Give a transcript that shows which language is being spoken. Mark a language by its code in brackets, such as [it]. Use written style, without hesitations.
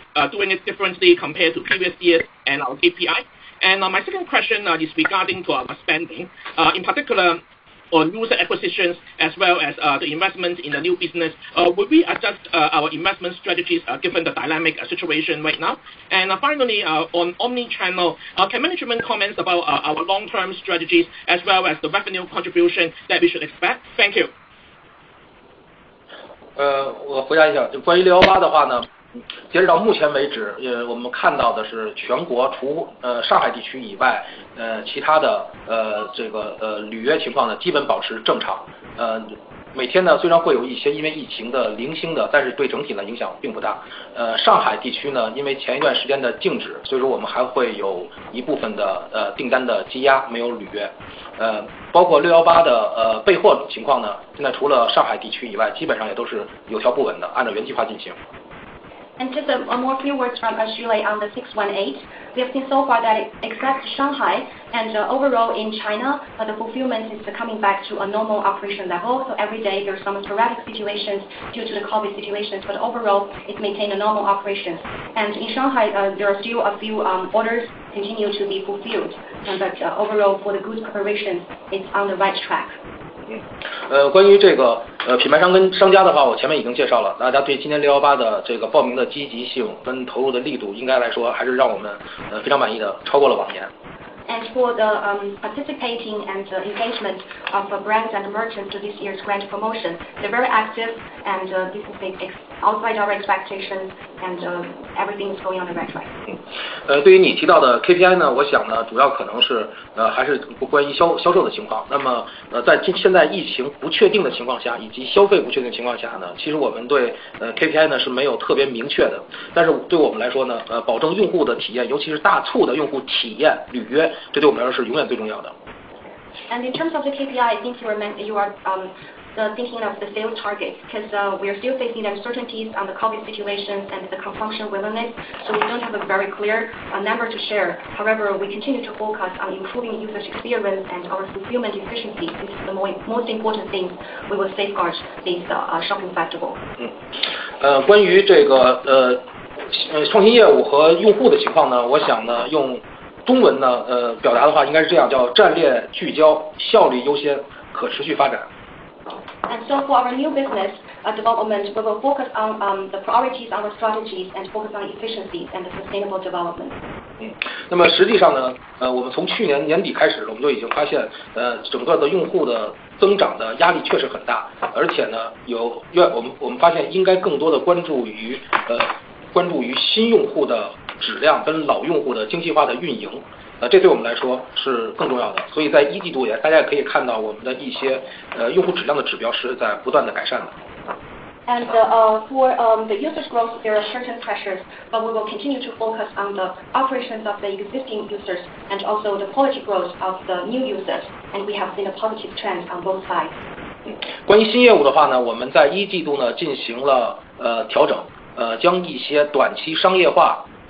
[en] doing it differently compared to previous years and our KPI? And my second question is regarding to our spending, in particular on user acquisitions as well as the investment in the new business. Will we adjust our investment strategies given the dynamic situation right now? And finally, on omni-channel, can management comment about our long-term strategies as well as the revenue contribution that we should expect? Thank you. [zh] 我回答一下，就关于618的话呢，截止到目前为止，我们看到的是全国除上海地区以外，其他的这个履约情况呢，基本保持正常。每天呢，虽然会有一些因为疫情的零星的，但是对整体呢影响并不大。上海地区呢，因为前一段时间的静止，所以说我们还会有一部分的订单的积压没有履约。包括618的备货情况呢，现在除了上海地区以外，基本上也都是有条不紊的，按照原计划进行。 [en] And just a more few words from Julie on the 618. We have seen so far that except Shanghai and overall in China, the fulfillment is coming back to a normal operation level. So every day there are some sporadic situations due to the COVID situations, but overall it maintained a normal operation. And in Shanghai, there are still a few orders continue to be fulfilled. But overall for the goods operations, it's on the right track. [zh] 关于这个品牌商跟商家的话，我前面已经介绍了，大家对今年618的这个报名的积极性跟投入的力度，应该来说还是让我们非常满意的，超过了往年。 [en] And for the participating and the engagement of brands and merchants to this year's grand promotion, they're very active and this is outside our expectations and everything is going on the right way. [zh] 对于你提到的 KPI 呢，我想呢，主要可能是还是关于销售的情况。那么在现在疫情不确定的情况下，以及消费不确定的情况下呢，其实我们对KPI 呢是没有特别明确的。但是对我们来说呢，保证用户的体验，尤其是大促的用户体验履约。 [en] And in terms of the KPI, I think you are thinking of the sales target because we are still facing uncertainties on the COVID situations and the consumption willingness, so we don't have a very clear number to share. However, we continue to focus on improving user experience and our fulfillment efficiency. This is the most important thing we will safeguard this shopping festival. [zh] 关于这个创新业务和用户的情况呢，我想呢用。中文呢，表达的话应该是这样，叫战略聚焦、效率优先、可持续发展。 [en] And so for our new business development, we will focus on the priorities, our strategies, and focus on efficiency and the sustainable development. [zh] 那么实际上呢，我们从去年年底开始，我们就已经发现，整个的用户的增长的压力确实很大，而且呢，我们发现应该更多的关注于新用户的。质量跟老用户的精细化的运营，这对我们来说是更重要的。所以在一季度也，大家也可以看到我们的一些用户质量的指标是在不断的改善的。 [en] And for the users growth, there are certain pressures, but we will continue to focus on the operations of the existing users and also the quality growth of the new users. And we have seen a positive trend on both sides. [zh] 关于新业务的话呢，我们在一季度呢进行了调整，将一些短期商业化。